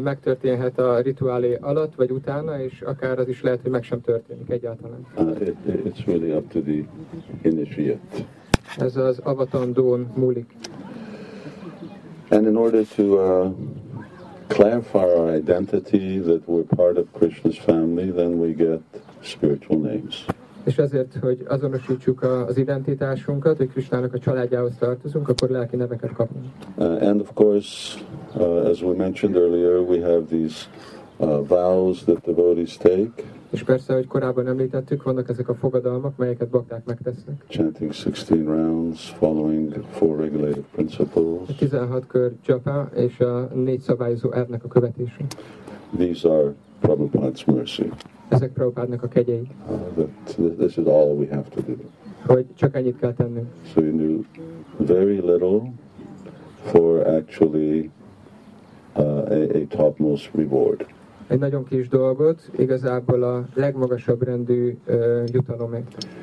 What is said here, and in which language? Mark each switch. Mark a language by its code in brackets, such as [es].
[hu] Megtörténhet a rituálé alatt vagy utána, és akár az is lehet, hogy meg sem történik egyáltalán. [en] It's really up to the initiate. [hu] Ez az avatandón múlik. [en] And in order to clarify our identity that we're part of Krishna's family, then we get spiritual names. [hu] És ezért, hogy azonosítsuk az identitásunkat, hogy Krishnának a családjához tartozunk, akkor lelki neveket kapunk. [en] And of course, as we mentioned earlier, we have these vows that devotees take. [hu] És persze, hogy korábban említettük, vannak ezek a fogadalmak, melyeket bakták megtesznek. [en] Chanting 16 rounds following four regulated principles. [hu] 16 kör japa és a négy szabályozó elvnek a követése. [en] These are Prabhupada's mercy. [hu] Ezek Prabhupádnak a kegyei. [en] This is all we have to do. [hu] Hogy csak ennyit kell tenni. [en] So you do very little for actually a topmost reward. [hu] Egy nagyon kis dolgot, igazából a legmagasabb rendű jutalomért.